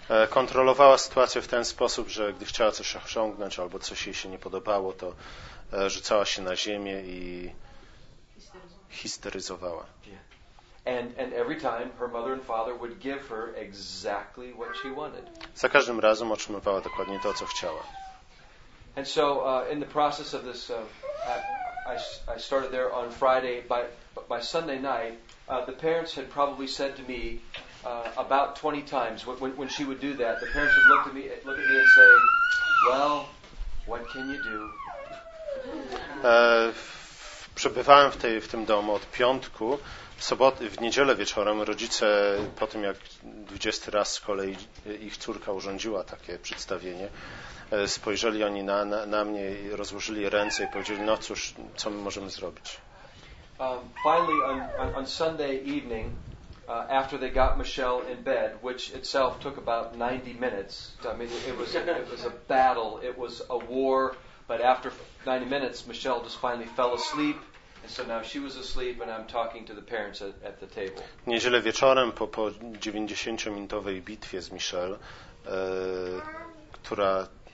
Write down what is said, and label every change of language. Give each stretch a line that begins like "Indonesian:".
Polish: Kontrolowała sytuację w ten sposób, że gdy chciała coś osiągnąć albo coś jej się nie podobało, to rzucała się na ziemię i histeryzowała.
English: And every time her mother and father would give her exactly what she wanted.
Polish: Za każdym razem otrzymywała dokładnie to, co chciała.
English: And so in the process of this I started there on Friday, by Sunday night the parents had probably said to me about 20 times when she would do that, the parents would look at me and say, "Well, what can you do?"
Polish: Przebywałem w tym domu od piątku. W niedzielę wieczorem rodzice, po tym jak 20 raz z kolei ich córka urządziła takie przedstawienie, spojrzeli oni na mnie i rozłożyli ręce i powiedzieli, no cóż, co my możemy zrobić.
English: Finally on Sunday evening, after they got Michelle in bed, which itself took about 90 minutes, I mean it was a battle, it was a war, but after 90 minutes Michelle just finally fell asleep. So now she was asleep and I'm talking to the parents at the table.
Polish: Niedzielę wieczorem po 90-minutowej bitwie z Michelle, która